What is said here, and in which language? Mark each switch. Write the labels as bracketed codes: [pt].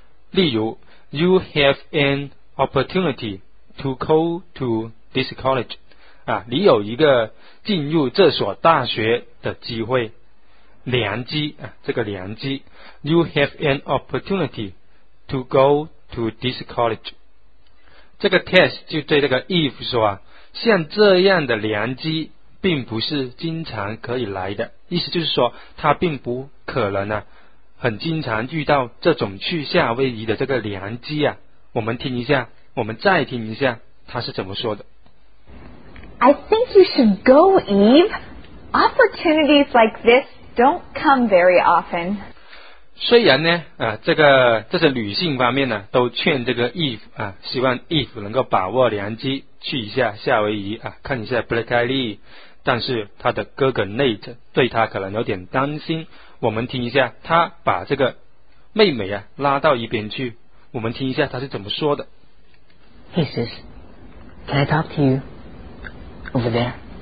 [zh] 例如 [en] You have an opportunity to go to this college [zh] 你有一个进入这所大学的机会，良机这个良机。 [en] You have an opportunity to go to this college。 [zh] 这个 test 就对这个 Eve 说像这样的良机并不是经常可以来的，意思就是说他并不可能很经常遇到这种去夏威夷的这个良机我们听一下，我们再听一下他是怎么说的。 [en] I think you should go, Eve. Opportunities like this don't come very often. [zh] 虽然呢这是女性方面呢都劝这个 Eve 希望 Eve 能够把握良机去一下夏威夷看一下 Black Eye Lee， 但是他的哥哥 Nate 对他可能有点担心。我们听一下他把这个妹妹拉到一边去，我们听一下他是怎么说的。 [en] Hey sis, can I talk to you over there?